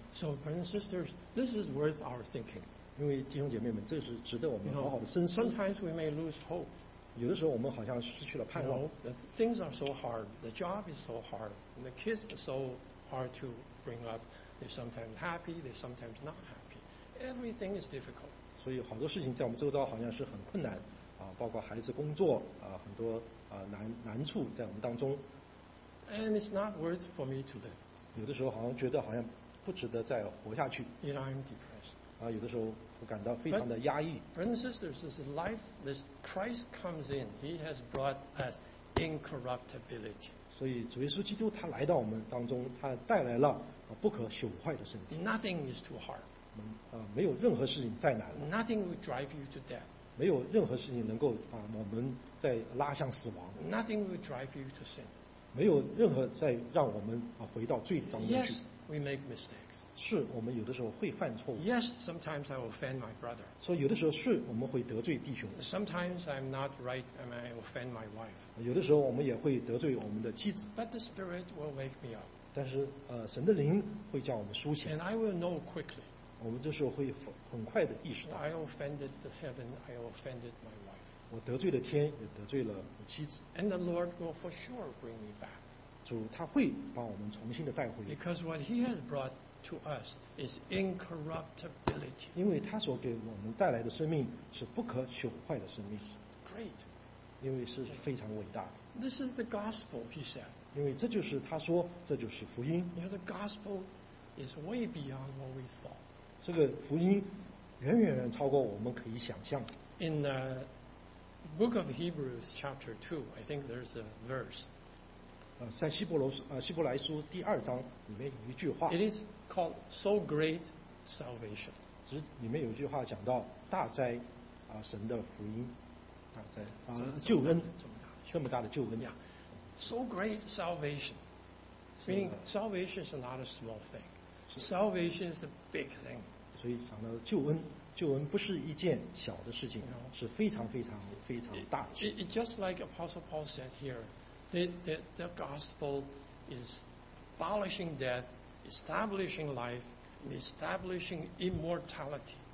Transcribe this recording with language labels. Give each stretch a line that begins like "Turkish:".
English: So, brothers and sisters, this is worth our thinking.
Chinese: 因为弟兄姐妹们，这是值得我们好好的深思。
English: Sometimes we may lose hope.
Chinese: 有的时候我们好像失去了盼望。
English: The things are so hard. The job is so hard. And the kids are so hard to bring up. They're sometimes happy, they're sometimes not happy. Everything is difficult.
Chinese: 所以好多事情在我们周遭好像是很困难包括孩子工作很多难处在我们当中。
English: And it's not worth for me to live.
Chinese: 有的时候好像觉得好像不值得再活下去。
English: Yet I'm depressed.
Chinese: 有的时候我感到非常的压抑。
English: Brothers and sisters, this life, this Christ comes in, he has brought us incorruptibility.
Chinese: 所以主耶稣基督他来到我们当中，他带来了不可朽坏的身体。
English: Nothing is too hard.
Chinese: 没有任何事情再难了。
English: Nothing will drive you to death.
Chinese: 没有任何事情能够把我们再拉向死亡。
English: Nothing will drive you to sin.
Chinese: 没有任何再让我们回到罪当中去。
English: Yes, we make mistakes.
Chinese: 是我们有的时候会犯错误。
English: Yes, sometimes I offend my brother.
Chinese: 所以有的时候是我们会得罪弟兄。
English: Sometimes I'm not right and I offend my wife.
Chinese: 有的时候我们也会得罪我们的妻子。
English: But the Spirit will wake me up.
Chinese: 但是神的灵会叫我们苏醒。
English: And I will know quickly.
Chinese: 我们这时候会很快的意识到。
English: I offended the heaven, I offended my wife.
Chinese: 我得罪了天，也得罪了我妻子。
English: And the Lord will for sure bring me back.
Chinese: 主他会把我们重新的带回。
English: Because what he has brought to us is incorruptibility.
Chinese: 因为他所给我们带来的生命是不可朽坏的生命。
English: Great.
Chinese: 因为是非常伟大的。
English: This is the gospel, he said.
Chinese: 因为这就是他说，这就是福音。
English: You know, the gospel is way beyond what we thought.
Chinese: 这个福音远远远超过我们可以想象。
English: In book of Hebrews, chapter 2, I think there's a verse.
Chinese: 在希伯罗希伯来书第二章里面有一句话。
English: It is called so great salvation.
Chinese: 只里面有一句话讲到大灾神的福音，大灾救恩，这么大的救恩。
English: Yeah. So great salvation. Meaning salvation is not a small thing. Salvation is a big thing.
Chinese: 所以讲到救恩。救恩不是一件小的事情，是非常非常非常大的事。
English: It just like Apostle Paul said here, the gospel is abolishing death, establishing life, and establishing immortality.